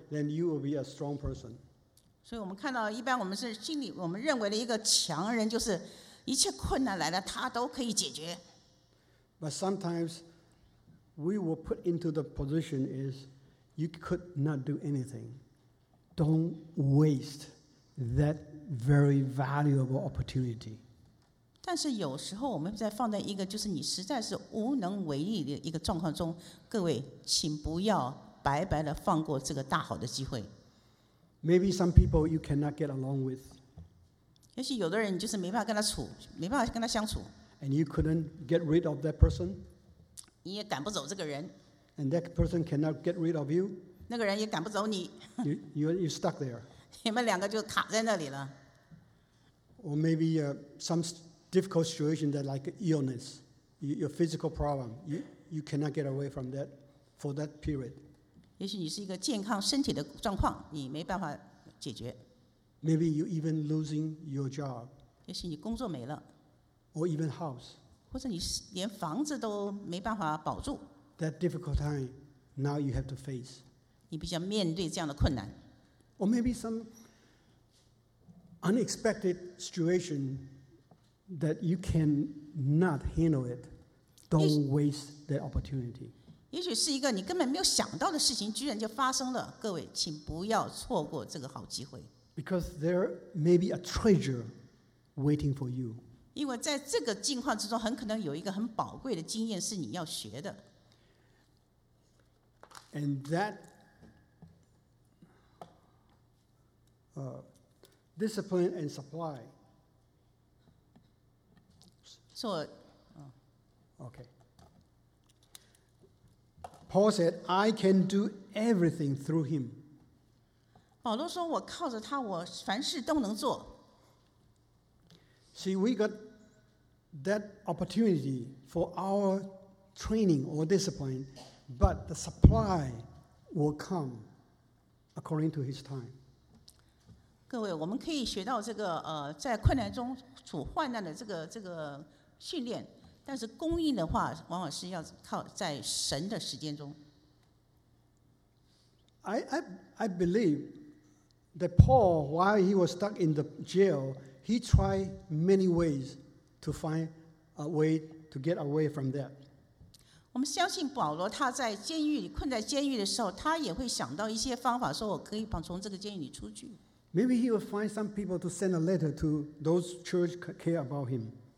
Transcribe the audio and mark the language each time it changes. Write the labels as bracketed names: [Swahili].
[English] Then you will be a strong person. [Chinese] 所以我们看到一般我们是心里我们认为的一个强人就是一切困难来了他都可以解决。 [English] But sometimes we were put into the position is you could not do anything. Don't waste that very valuable opportunity. [Chinese] 但是有时候我们在放在一个就是你实在是无能为力的一个状况中各位请不要白白的放过这个大好的机会。 [English] Maybe some people you cannot get along with. [Chinese] 也许有的人就是没办法跟他处，没办法跟他相处。 [English] And you couldn't get rid of that person. [Chinese] 你也赶不走这个人。 [English] And that person cannot get rid of you. [Chinese] 那个人也赶不走你。 [English] You stuck there. [Chinese] 你们两个就卡在那里了。 [English] Or maybe some difficult situation that like illness, your physical problem, you cannot get away from that for that period. [Chinese] 也许你是一个健康身体的状况，你没办法解决。 [English] Maybe you even losing your job. [Chinese] 也许你工作没了。 [English] Or even house. [Chinese] 或者你连房子都没办法保住。 [English] That difficult time, now you have to face. [Chinese] 你必须要面对这样的困难。 [English] Or maybe some unexpected situation that you cannot handle it. Don't waste that opportunity. [Chinese] 也许是一个你根本没有想到的事情，居然就发生了。各位，请不要错过这个好机会。 [English] Because there may be a treasure waiting for you. [Chinese] 因为在这个境况之中，很可能有一个很宝贵的经验是你要学的。 [English] And that, discipline and supply. So, okay. Paul said, I can do everything through him. [Chinese] 保罗说, 我靠着他, 我凡事都能做。 [English] See, we got that opportunity for our training or discipline, but the supply will come according to his time. [Chinese] 各位, 我们可以学到这个, 在困难中处患难的这个训练, 但是供应的话, 往往是要靠在神的时间中。 [English] I believe that Paul, while he was stuck in the jail, he tried many ways to find a way to get away from that. [Chinese] 我们相信保罗他在监狱里困在监狱的时候, 他也会想到一些方法说我可以从这个监狱里出去。 [English] Maybe he will find some people to send a letter to those church care about him.